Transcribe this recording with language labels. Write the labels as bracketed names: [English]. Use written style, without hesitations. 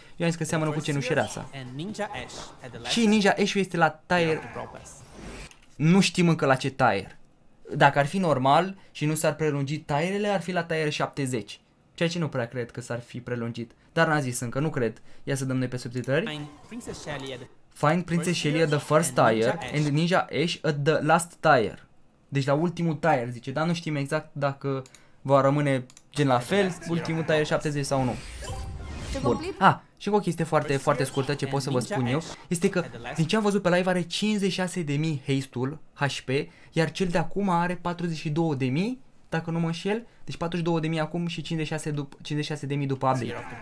[Romanian] Eu am zis că seamănă cu cenușirea sa. Și Ninja Ash este la tier. Nu știm încă la ce tier. Dacă ar fi normal și nu s-ar prelungi tierele, ar fi la tier 70. Ceea ce nu prea cred că s-ar fi prelungit. Dar n-am zis încă, nu cred. Ia să dăm noi pe subtitrări. [English] Find Princess Shelly at the first tier and Ninja Ash at the last tier. [Romanian] Deci la ultimul tier, zice. Dar nu știm exact dacă va rămâne gen la fel, ultimul tier 70 sau nu. Bun. Și o chestie foarte, foarte scurtă ce pot să vă spun eu este că, din ce am văzut pe live, are 56.000 haste-ul HP, iar cel de acum are 42.000, dacă nu mă înșel, deci 42.000 acum și 56.000 după update.